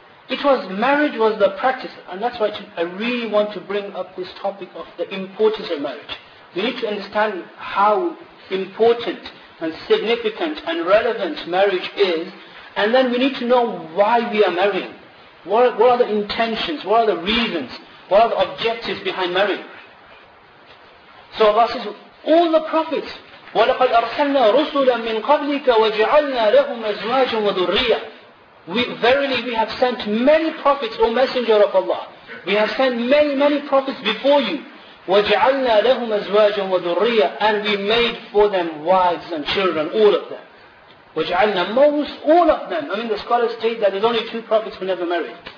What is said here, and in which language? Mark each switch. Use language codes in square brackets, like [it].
[en] It was, marriage was the practice, and that's why I really want to bring up this topic of the importance of marriage. We need to understand how important and significant and relevant marriage is, and then we need to know why we are marrying. What are the intentions? What are the reasons? What are the objectives behind marriage? So Allah says, all the prophets, [ar] وَلَقَدْ أَرْسَلْنَا رُسُلًا مِّن قَبْلِكَ وَجَعَلْنَا لَهُمْ أَزْوَاجٌ وَذُرِّيَّةٌ. [en] Verily we have sent many prophets, O Messenger of Allah. We have sent many, many prophets before you. [ar] وَجَعَلْنَا لَهُمْ أَزْوَاجًا وَذُرِّيَّةً. [en] And we made for them wives and children, all of them. وَجَعَلْنَا most, all of them. I mean, the scholars state that there's only two prophets who never married.